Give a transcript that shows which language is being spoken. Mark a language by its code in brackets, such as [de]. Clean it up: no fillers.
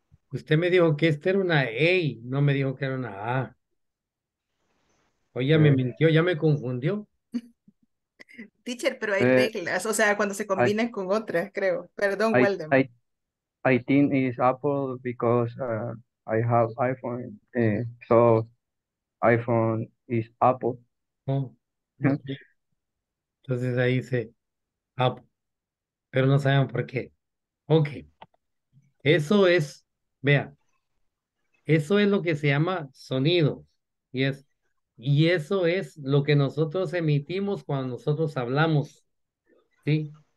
[es] Usted me dijo que esta era una A, no me dijo que era una A. Oye, me mintió, ya me confundió. Teacher, pero hay reglas, o sea, cuando se combinan con otras, creo. Perdón, Weldon. [en] I think it's Apple because I have iPhone, so iPhone is Apple. Oh. [es] Entonces ahí dice Apple, pero no saben por qué. Ok. Eso es, vea, eso es lo que se llama sonido. Y eso es lo que nosotros emitimos cuando nosotros hablamos. ¿Sí?